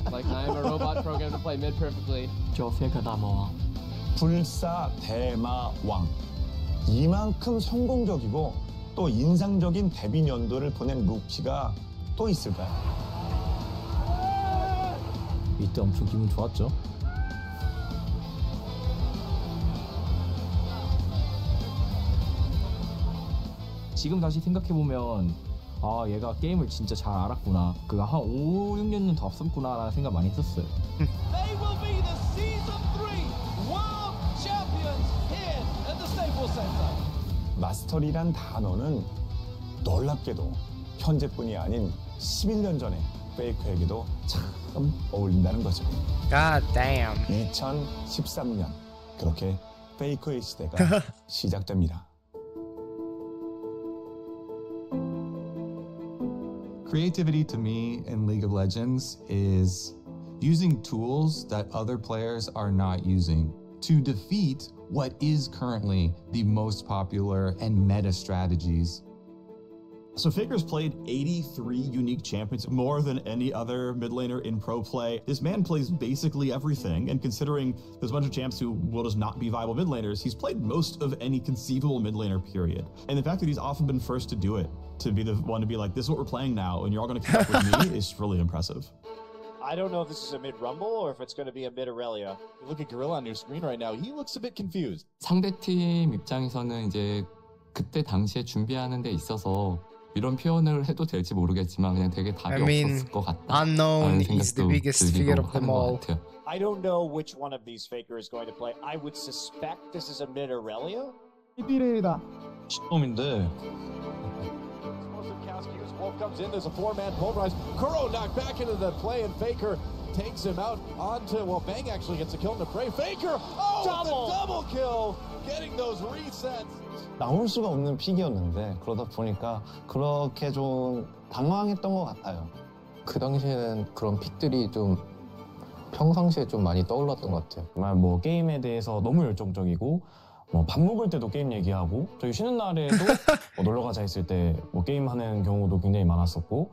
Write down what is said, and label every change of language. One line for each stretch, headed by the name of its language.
English: Like, I'm a robot programmed to play mid perfectly. Joe Faker Dama. Pulsa Dema Wang.
Korean: 이만큼 성공적이고 또 인상적인 데뷔 연도를 보낸 루키가 또 있을까요? 이때 엄청 기분 좋았죠. 지금 다시 생각해보면 아 얘가 게임을 진짜 잘 알았구나 그 한 5, 6년은 더 앞섰구나 라는 생각 많이 했었어요.
English: They will be the Season 3 World Champions here at the Staples Center.
Korean: 마스터리란 단어는 놀랍게도 현재뿐이 아닌 11년 전에 페이커에게도 참 어울린다는 거죠.
English: God damn.
Korean: 2013년 그렇게 페이커의 시대가 시작됩니다.
English: Creativity to me in League of Legends is using tools that other players are not using to defeat what is currently the most popular and meta strategies. So Faker's played 83 unique champions, more than any other mid laner in pro play. This man plays basically everything, and considering there's a bunch of champs who will just not be viable mid laners, he's played most of any conceivable mid laner period. And the fact that he's often been first to do it, to be the one to be like, this is what we're playing now, and you're all going to keep up with me, is really impressive. I don't know if this is a mid-rumble or if it's going to be a mid-Aurelia. Look at Gorilla on your screen right now. He looks a bit confused.
Korean: 상대팀 입장에서는 이제 그때 당시에 준비하는 데 있어서 이런 표현을 해도 될지 모르겠지만 그냥 되게 답이 없었을 것 같다.
English: Unknown is the biggest fear of them all. I don't know which one of these Fakers is going to play. I would suspect this is a mid-Aurelia.
Korean: 미래이다. 처음인데...
English: Wolf comes in, there's a four-man pulverize. Kuro knocked back into the play, and Faker takes him out onto... Well, Bang actually gets a kill in the prey. Faker! Oh, double. The double kill! Getting those resets!
Korean: 나올 수가 없는 픽이었는데 그러다 보니까 그렇게 좀 당황했던 것 같아요. 그 당시에는 그런 픽들이 좀 평상시에 좀 많이 떠올랐던 것 같아요. 정말 뭐 게임에 대해서 너무 열정적이고 뭐 밥 먹을 때도 게임 얘기하고 저희 쉬는 날에도 뭐 놀러 가자 했을 때 뭐 게임 하는 경우도 굉장히 많았었고.